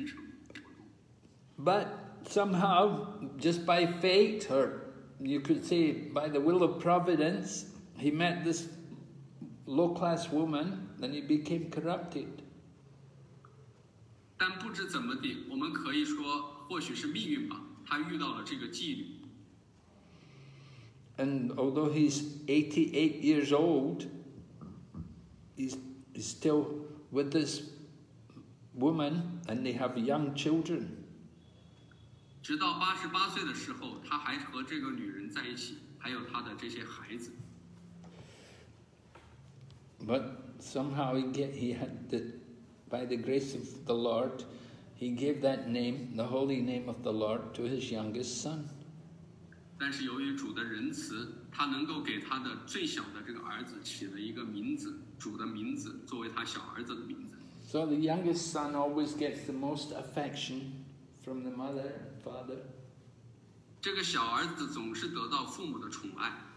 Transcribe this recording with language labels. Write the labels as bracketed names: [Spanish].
[Chinese] 阿迦弥勒他有一个很好的出身，他在一个婆罗门的这个家庭，然后他在小的时候从事了很多的虔诚活动。 [English] But somehow, just by fate, or you could say by the will of providence, he met this low-class woman, and he became corrupted. [Chinese] 但不知怎么地，我们可以说或许是命运吧，他遇到了这个妓女。 [English] And although he's 88 years old, he's still with this woman, and they have young children. [Chinese] 直到88岁的时候, 他还和这个女人在一起, 还有他的这些孩子。 [English] But somehow he had the, by the grace of the Lord, he gave that name, the holy name of the Lord, to his youngest son. So the youngest son always gets the most affection from the mother and father. [Chinese] 这个小儿子总是得到父母的宠爱。